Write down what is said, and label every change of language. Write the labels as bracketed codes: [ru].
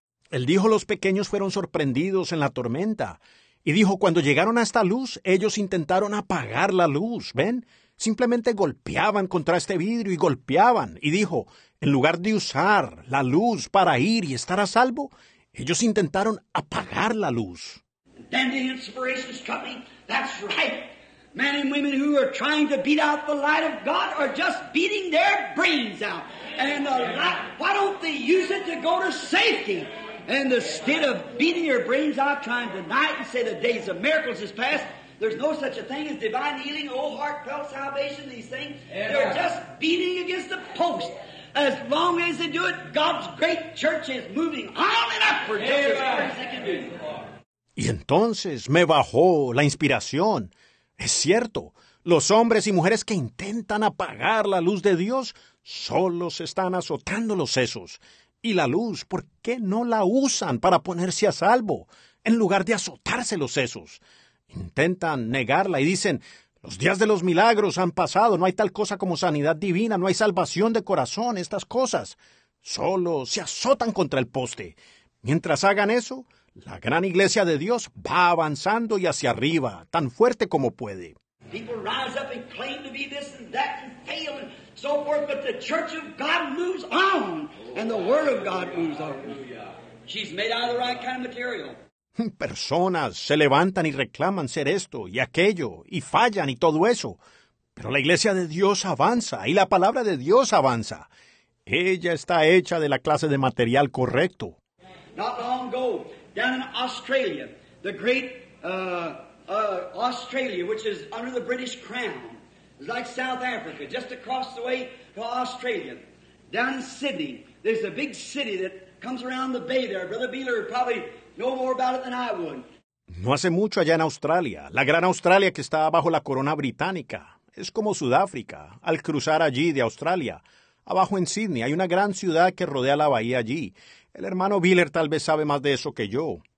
[es] Él dijo, los pequeños fueron sorprendidos en la tormenta. Y dijo, cuando llegaron a esta luz, ellos intentaron apagar la luz, ¿ven? Simplemente golpeaban contra este vidrio y golpeaban. Y dijo, en lugar de usar la luz para ir y estar a salvo, ellos intentaron apagar la luz. [en] Then the inspiration's coming. That's right. Men and women who are trying to beat out the light of God are just beating their brains out. And the light, why don't they use it to go to safety? And instead of beating your brains out trying to deny it and say the days of miracles is past, there's no such a thing as divine healing, old heartfelt salvation, these things. Amen. They're just beating against the post. As long as they do it, God's great church is moving on and upward. Amen. Just as far as they can do. [es] Y entonces me bajó la inspiración. Es cierto, los hombres y mujeres que intentan apagar la luz de Dios solo se están azotando los sesos. Y la luz, ¿por qué no la usan para ponerse a salvo en lugar de azotarse los sesos? Intentan negarla y dicen, los días de los milagros han pasado, no hay tal cosa como sanidad divina, no hay salvación de corazón, estas cosas. Solo se azotan contra el poste. Mientras hagan eso, la gran iglesia de Dios va avanzando y hacia arriba, tan fuerte como puede. [en] People rise up and claim to be this and that and fail and so forth, but the church of God moves on and the word of God moves on. She's made out of the right kind of material. [es] Personas se levantan y reclaman ser esto y aquello y fallan y todo eso. Pero la iglesia de Dios avanza y la palabra de Dios avanza. Ella está hecha de la clase de material correcto. [en] Not long ago, down in Australia, the great Australia, which is under the British crown, like South Africa, just across the way to Australia. Down in Sydney, there's a big city that comes around the bay there. Brother Beeler probably know more about it than I would. [es] No hace mucho allá en Australia, la gran Australia que está bajo la corona británica. Es como Sudáfrica, al cruzar allí de Australia. Abajo en Sydney hay una gran ciudad que rodea la bahía allí. El hermano Beeler tal vez sabe más de eso que yo.